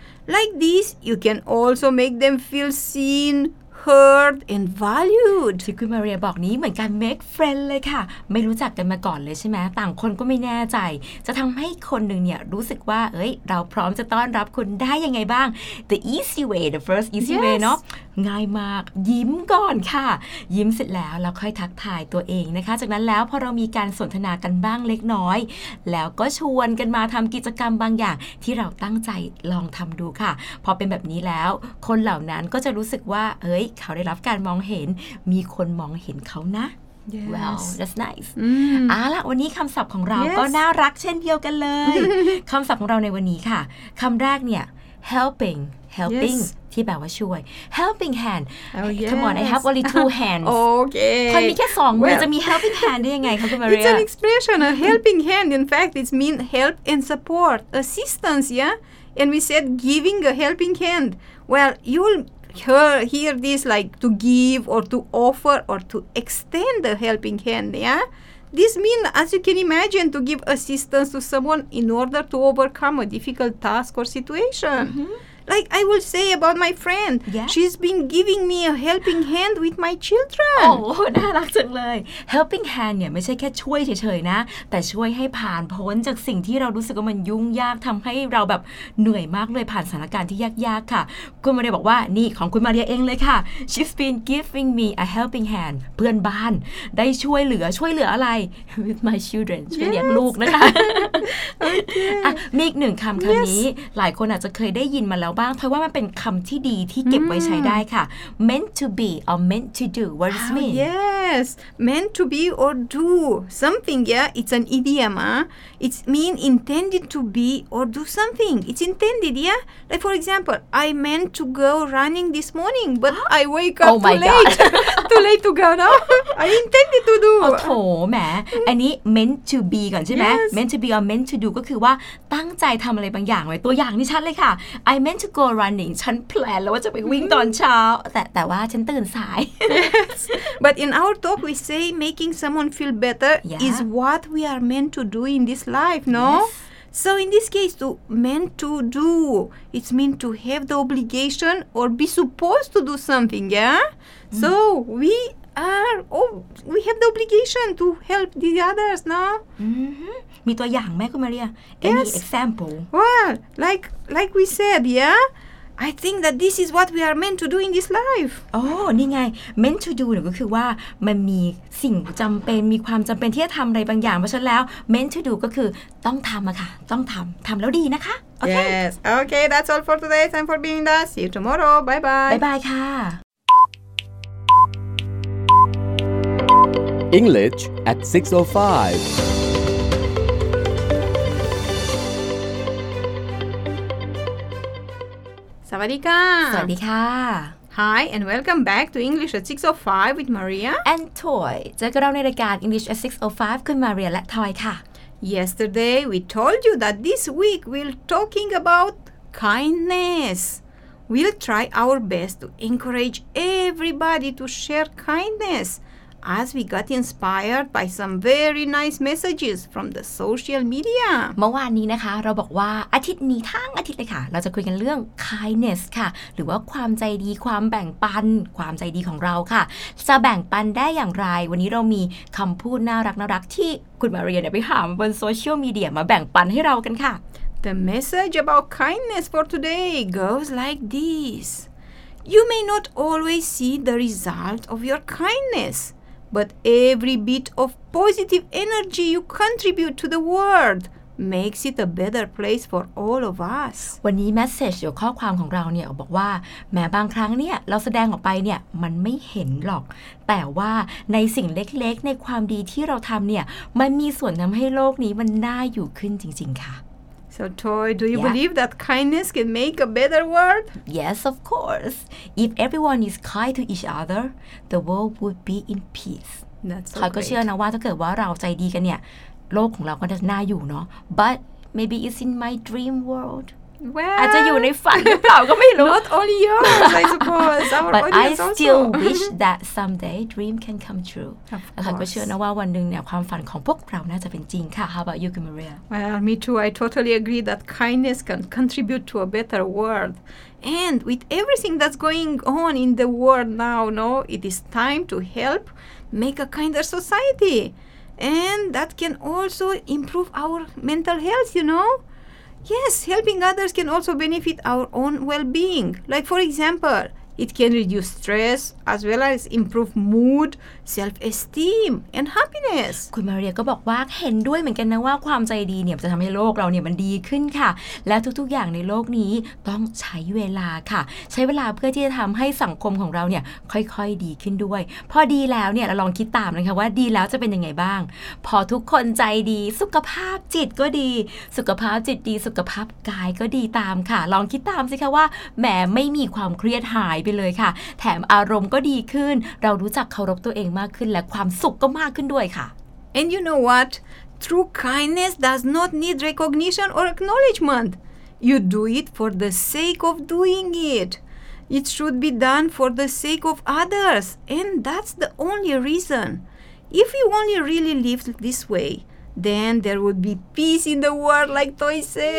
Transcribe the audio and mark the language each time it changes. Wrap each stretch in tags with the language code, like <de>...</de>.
<en>Like this, you can also make them feel seen. Heard and valued</en> <th>ที่คุณมาเรียบอกนี้เหมือนการ</th> <en>make friend</en> <th>เลยค่ะไม่รู้จักกันมาก่อนเลยใช่ไหมต่างคนก็ไม่แน่ใจจะทำให้คนหนึ่งเนี่ยรู้สึกว่าเอ้ยเราพร้อมจะต้อนรับคุณได้ยังไงบ้าง</th> <en>the easy way the first easy yes.</en> <th>way เนาะง่ายมากยิ้มก่อนค่ะยิ้มเสร็จแล้วเราค่อยทักทายตัวเองนะคะจากนั้นแล้วพอเรามีการสนทนากันบ้างเล็กน้อยแล้วก็ชวนกันมาทำกิจกรรมบางอย่างที่เราตั้งใจลองทำดูค่ะพอเป็นแบบนี้แล้วคนเหล่านั้นก็จะรู้สึกว่าเอ้ยเขาได้รับการมองเห็นมีคนมองเห็นเขานะ</th> <en>yes. Well, that's nice mm.</en> <th>อ่ะล่ะวันนี้คำศัพท์ของเรา</th> <en>yes.</en> <th>ก็น่ารักเช่นเดียวกันเลย คำศัพท์ของเราในวันนี้ค่ะคำแรกเนี่ย helping</th> <en>yes.</en> <th>ที่แปลว่าช่วย helping hand</th> <en>oh, yes. come on I have only two hands okay</en> <th>คนมีแค่สองมือจะมี helping hand ได้ยังไงคะคุณมาเรีย</th> <en>it's an expression a helping hand in fact it means help and support assistance yeah and we said giving a helping hand well you'll hear this like to give or to offer or to extend a helping hand yeahThis means, as you can imagine, to give assistance to someone in order to overcome a difficult task or situation. Mm-hmm. Like I will say about my friend. Yeah. She's been giving me a helping hand with my children.</en> <th>Oh, น่ารักจังเลย Helping hand เนี่ยไม่ใช่แค่ช่วยเฉยๆนะแต่ช่วยให้ผ่านพ้นจากสิ่งที่เรารู้สึกว่ามันยุ่งยากทำให้เราแบบเหนื่อยมากเลยผ่านสถานการณ์ที่ยากๆค่ะคุณมาเรียบอกว่านี่ของคุณมาเรียเองเลยค่ะ</th> <en>She's been giving me a helping hand</en> <th>เพื่อนบ้านได้ช่วยเหลืออะไร</th> <en>with my children</en> <th>ช่วยเลี้ยงลูกนะคะ</th> <en>okay.</en> <th>มีอีกหนึ่งคำคำนี้หลายคนอาจจะเคยได้ยินมาแล้วบ้างเพราะว่ามันเป็นคำที่ดีที่เก็บไว้ใช้ได้ค่ะ</th> <en>meant to be or meant to do what does mean yes meant to be or do something yeah it's an idiom it mean intended to be or do something it's intended yeah like for example I meant to go running this morning but I wake up too late to go no I intended to do</en> <th>โอ้โหแหมอันนี้ meant to be ก่อนใช่ไหม meant to be or meant to do ก็คือว่าตั้งใจทำอะไรบางอย่างไว้ตัวอย่างนี่ชัดเลยค่ะ</th> <en>I meant to go running</en> <th>ฉันแพลนแล้วว่าจะไปวิ่งตอนเช้าแต่ว่าฉันตื่นสาย</th> <en>yes. but in our talk we say making someone feel better yeah. is what we are meant to do in this life no yes. so in this case to meant to do it's mean to have the obligation or be supposed to do something yeah so we have the obligation to help the others no</en> <th>มีตัวอย่างไหมคุณมาเรีย</th> <en>any example well like we said yeah I think that this is what we are meant to do in this life</en> <th>oh นี่ไง meant to do เนี่ยก็คือว่ามันมีสิ่งจำเป็นมีความจำเป็นที่จะทำอะไรบางอย่างเพราะฉะนั้นแล้ว meant to do ก็คือต้องทำอะค่ะต้องทำแล้วดีนะคะ</th> <en>okay. yes okay that's all for today time for being done see you tomorrow bye bye bye bye ค่ะ English at 6:05.</en> <th>สวัสดีค่ะ สวัสดีค่ะ</th> <en>Hi and welcome back to English at 6:05 with Maria and Toy.</en> <th>เจอกับเราในรายการ English at 6:05 คุณ Maria และ Toy ค่ะ</th> <en>Yesterday we told you that this week we're talking about kindness. We'll try our best to encourage everybody to share kindness. As we got inspired by some very nice messages from the social media.</en> <th>เมื่อวานนี้นะคะเราบอกว่าอาทิตย์นี้ทั้งอาทิตย์เลยค่ะเราจะคุยกันเรื่อง kindness ค่ะหรือว่าความใจดีความแบ่งปันความใจดีของเราค่ะจะแบ่งปันได้อย่างไรวันนี้เรามีคำพูดน่ารักน่ารักที่คุณมาเรียนไปหามาบนโซเชียลมีเดียมาแบ่งปันให้เรากันค่ะ</th> <en>The message about kindness for today goes like this. You may not always see the result of your kindness. But every bit of positive energy you contribute to the world makes it a better place for all of us.</en> <th>วันนี้ message หรือข้อความของเราเนี่ยบอกว่าแม้บางครั้งเนี่ยเราแสดงออกไปเนี่ยมันไม่เห็นหรอกแต่ว่าในสิ่งเล็กๆในความดีที่เราทำเนี่ยมันมีส่วนทำให้โลกนี้มันน่าอยู่ขึ้นจริงๆค่ะ</th> <en>So Toy, do you yeah. believe that kindness can make a better world? Yes, of course. If everyone is kind to each other, the world would be in peace. That's okay.</en> <th>ก็เชื่อนะว่าถ้าเกิดว่าเราใจดีกันเนี่ยโลกของเราก็จะน่าอยู่เนาะ</th> <en>But maybe it's in my dream world. Well,</en> <th>อาจจะอยู่ในฝันหรือเปล่าก็ไม่รู้</th> <en>Not only yours, I suppose. But I still also. wish that someday dream can come true. Of course.</en> <th>ก็เชื่อนะว่าวันหนึ่งเนี่ยความฝันของพวกเราน่าจะเป็นจริงค่ะ</th> <en>How about you, Maria? Well, me too. I totally agree that kindness can contribute to a better world. And with everything that's going on in the world now, no, it is time to help make a kinder society. And that can also improve our mental health, you know? Yes, helping others can also benefit our own well-being. Like, for example, it can reduce stress as well as improve mood, self-esteem, and happiness.</en> <th>คุณมาเรียก็บอกว่าเห็นด้วยเหมือนกันนะว่าความใจดีเนี่ยจะทำให้โลกเราเนี่ยมันดีขึ้นค่ะและทุกๆอย่างในโลกนี้ต้องใช้เวลาค่ะใช้เวลาเพื่อที่จะทำให้สังคมของเราเนี่ยค่อยๆดีขึ้นด้วยพอดีแล้วเนี่ยเราลองคิดตามนะคะว่าดีแล้วจะเป็นยังไงบ้าง พอทุกคนใจดีสุขภาพจิตก็ดีสุขภาพจิตดีสุขภาพกายก็ดีตามค่ะลองคิดตามสิคะว่าแหมไม่มีความเครียดหายไปเลยค่ะแถมอารมณ์ก็ดีขึ้นเรารู้จักเคารพตัวเองมากขึ้นและความสุขก็มากขึ้นด้วยค่ะ</th> <en>And you know what? True kindness does not need recognition or acknowledgement. You do it for the sake of doing it. It should be done for the sake of others. And that's the only reason. If you only really lived this way,Then there would be peace in the world, like Toy said.</en>